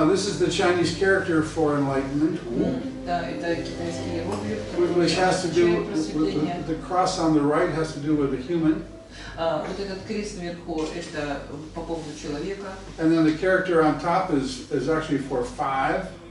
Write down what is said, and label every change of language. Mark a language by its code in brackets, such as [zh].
[en] Now this is the Chinese character for enlightenment. Which has to do with the cross on the right has to do with the human. [ru] Вот этот крест наверху это по поводу человека. [en] And then the character on top is actually for five.